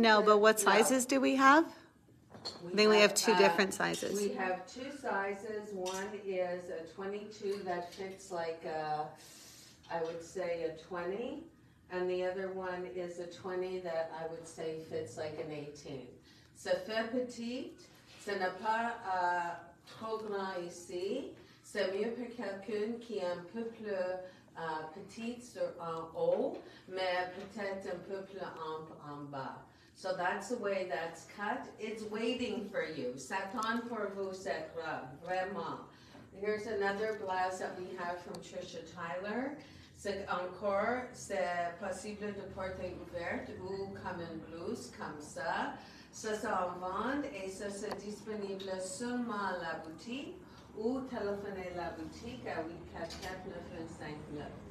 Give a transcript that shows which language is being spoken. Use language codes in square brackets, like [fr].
[en] No, but what sizes do we have? We have two different sizes. We have two sizes. One is a 22 that fits like a, I would say a 20, and the other one is a 20 that I would say fits like an 18. [fr] C'est fait petit, ce n'est pas trop grand ici. C'est mieux pour quelqu'un qui est un peu plus petit en haut, mais peut-être un peu plus ample en bas. [en] So that's the way that's cut. It's waiting for you. [fr] Satan pour vous sera vraiment. [en] Here's another blouse that we have from Trisha Tyler. [fr] C'est encore, c'est possible de porter ouverte ou comme une blouse, comme ça. Ça, c'est en vente et ça, c'est disponible seulement à la boutique ou téléphoner la boutique à 844-959.